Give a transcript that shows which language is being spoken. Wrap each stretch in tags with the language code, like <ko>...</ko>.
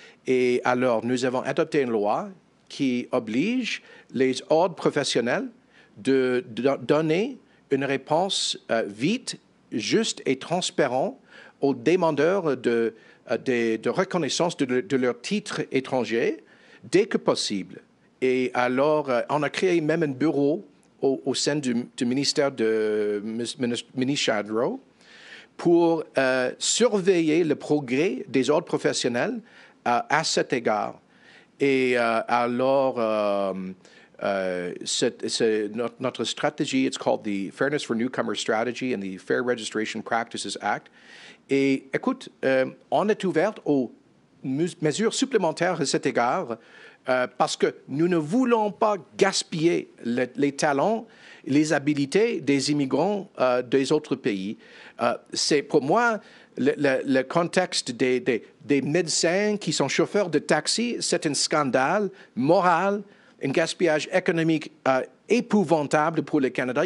<fr>Et alors, nous avons adopté une loi qui oblige les ordres professionnels de donner une réponse vite, juste et transparente aux demandeurs de reconnaissance de leur titre étranger dès que possible. Et alors, on a créé même un bureau au sein du ministère de ministre Shandro pour surveiller le progrès des autres professionnels à cet égard. Et alors, notre stratégie,</fr> <en>it's called the Fairness for Newcomers Strategy and the Fair Registration Practices Act.</en> <fr>Et écoute, on est ouverte aux mesures supplémentaires à cet égard parce que nous ne voulons pas gaspiller les talents, les habiletés des immigrants des autres pays. C'est pour moi le contexte des médecins qui sont chauffeurs de taxi, c'est un scandale moral, un gaspillage économique épouvantable pour le Canada.</fr>